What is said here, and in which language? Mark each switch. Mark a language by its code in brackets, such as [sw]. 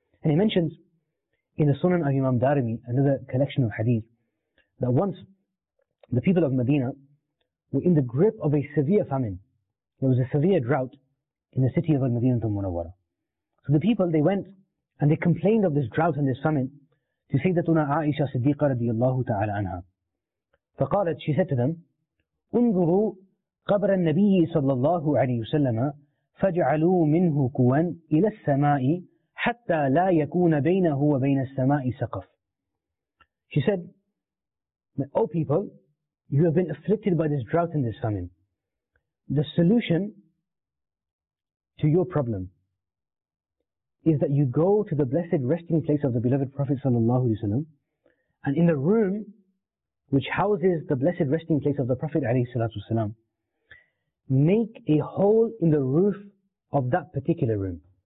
[en] And he mentions in the Sunan of Imam Darimi, another collection of hadith, that once the people of Medina were in the grip of a severe famine. There was a severe drought in the city of Al-Madinatul Munawwara. So the people, they went and they complained of this drought and this famine to Sayyidatuna Aisha Siddiqa radiallahu ta'ala anha. [ar] فقالت, [en] she said to them, [ar] انظروا قبر النبي صلى الله عليه وسلم فاجعلوا منه كوا إلى السماء حتى لا يكون بينه وبين السماء سقف. [en] She said, O people, you have been afflicted by this drought and this famine. The solution to your problem is that you go to the blessed resting place of the beloved Prophet sallallahu alaihi wasallam, and in the room which houses the blessed resting place of the Prophet alayhi salatu wasalam, make a hole in the roof of that particular room.